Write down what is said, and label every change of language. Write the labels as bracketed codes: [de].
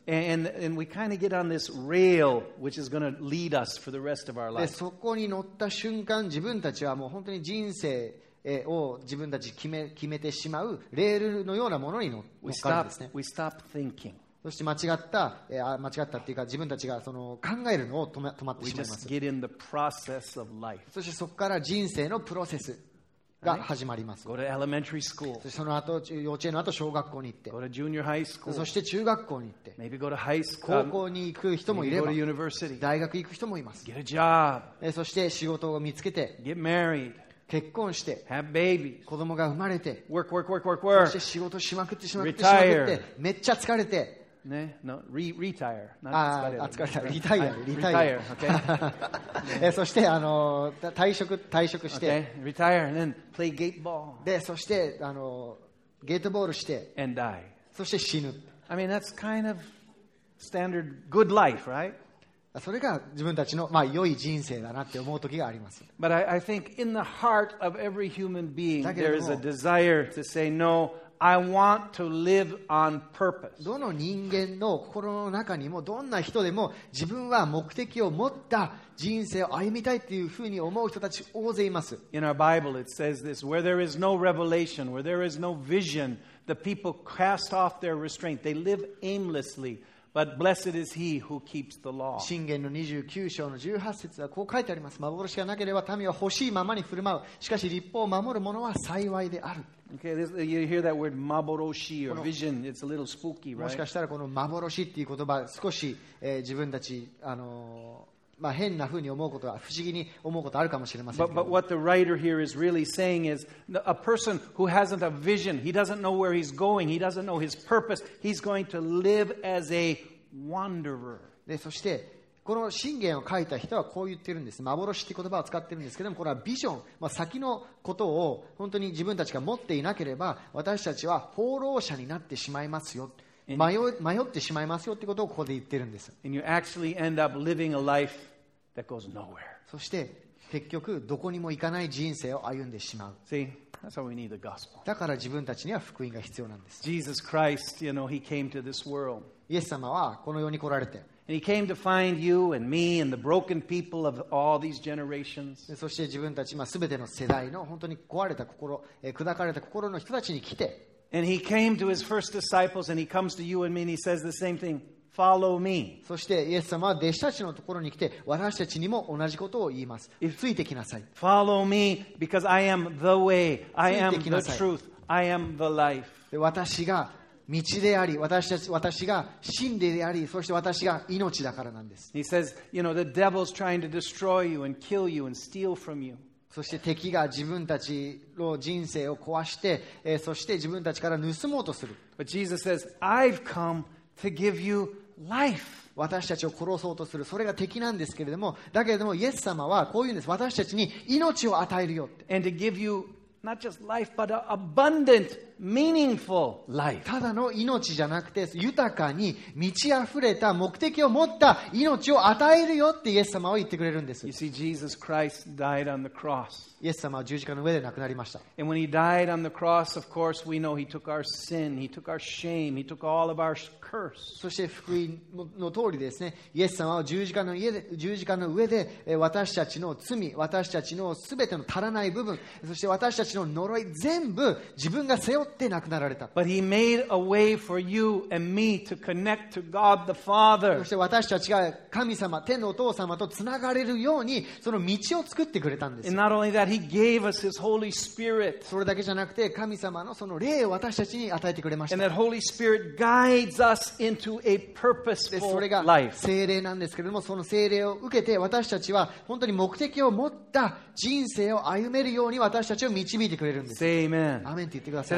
[en] And we kind of get on this rail, which is going to lead us for the rest of our life. [ja] そこに乗った瞬間、自分たちはもう本当に人生を自分たち決めてしまうレールのようなものに乗っかるんですね。 [en] We stop thinking. [ja] そして間違ったっていうか自分たちがその考えるのを止まってしまいます。 We just get in the process of life. そしてそこから人生のプロセス。が始まります。 [en] Go to elementary school. [ja] その後幼稚園の後小学校に行って。 [en] Go to junior high school. [ja] そして中学校に行って。 [en] Maybe go to high school. [ja] 高校に行く人もいれば。 [en] Maybe go to university. [ja] 大学行く人もいます。 [en] Get a job. [ja] そして仕事を見つけて。 [en] Get married. [ja] 結婚して、 [en] Have babies. [ja] 子供が生まれて。 [en] Work, work, work, work, work. [ja] そして仕事しまくってしまくってしまくって。 [en] Retire. [ja] めっちゃ疲れて。 [en] ね、no, retire. Retire. Okay. [ja] そして退職して。 [en] Okay. Retire and then play gate ball. [ja] で、そしてゲートボールして。 [en] And die. [ja] そして死ぬ。 [en] I mean that's kind of standard good life, right? [ja] それが自分たちの良い人生だなって思う時があります。 [en] But I think in the heart of every human being there is a desire to say no. I want to live on purpose. [ja] どの人間の心の中にもどんな人でも自分は目的を持った人生を歩みたいというふうに思う人たち大勢います。 [en] In our Bible, it says this: where there is no revelation, where there is no vision, the people cast off their restraint. They live aimlessly. But blessed is he who keeps the law. [ja] 箴言の29章の18節はこう書いてあります。幻がなければ民は欲しいままに振る舞う。しかし律法を守る者は幸いである。 [en] Okay, this, you hear that word 幻 or vision? It's a little spooky, right? [ja] もしかしたらこの幻っていう言葉少し、自分たち変なふうに思うことは不思議に思うことあるかもしれませんけど。 [en] But what the writer here is really saying is a person who hasn't a vision, he doesn't know where he's going, he doesn't know his purpose, he's going to live as a wanderer. [ja] で、そしてこの箴言を書いた人はこう言ってるんです。幻って言葉を使ってるんですけども、これはビジョン、先のことを本当に自分たちが持っていなければ、私たちは放浪者になってしまいますよ。迷ってしまいますよってことをここで言ってるんです。 [en] And you actually end up living a life that goes nowhere. [ja] そして結局どこにも行かない人生を歩んでしまう。 [en] See, that's why we need the gospel. [ja] だから自分たちには福音が必要なんです。 [en] Jesus Christ, you know, he came to this world. [ja] イエス様はこの世に来られて。 [en] And he came to find you and me and the broken people of all these generations. [ja] そして自分たち全ての世代の本当に壊れた心、砕かれた心の人たちに来て。 [en] And he came to his first disciples, and he comes to you and me, and he says the same thing: Follow me. [ja] そしてイエス様は弟子たちのところに来て、私たちにも同じことを言います。ついてきなさい。 [en] Follow me, because I am the way, I am the truth, I am the life. [ja] で、私が道であり、私が真理であり、そして私が命だからなんです。 [en] He says, you know, the devil's trying to destroy you and kill you and steal from you. [ja] そして敵が自分たちの人生を壊して、そして自分たちから盗もうとする。 [en] But Jesus says, I've come to give you life. [ja] 私たちを殺そうとする。それが敵なんですけれども、だけれどもイエス様はこう言うんです。私たちに命を与えるよって。 [en] And to give you not just life, but an abundant, meaningful life. [ja] ただの命じゃなくて、豊かに満ち溢れた目的を持った命を与えるよってイエス様は言ってくれるんです。 [en] You see, Jesus Christ died on the cross. [ja] イエス様は十字架の上で亡くなりました。 [en] And when he died on the cross, of course, we know he took our sin, he took our shame, he took all of our curse. [ja] そして福音の通りですね、イエス様は十字架の上で私たちの罪、私たちの全ての足らない部分、そして私たちの呪い全部自分が背負ってって亡くなられた。 [en] But he made a way for you and me to connect to God the Father. [ja] そして私たちが神様、天のお父様とつながれるようにその道を作ってくれたんです。 [en] And not only that, he gave us his Holy Spirit. [ja] それだけじゃなくて神様のその霊を私たちに与えてくれました。 [en] And that Holy Spirit guides us into a purposeful life. [ja] それが聖霊なんですけれども、その聖霊を受けて私たちは本当に目的を持った人生を歩めるように私たちを導いてくれるんです。 [en] Say amen. [ja] アーメンって言ってください。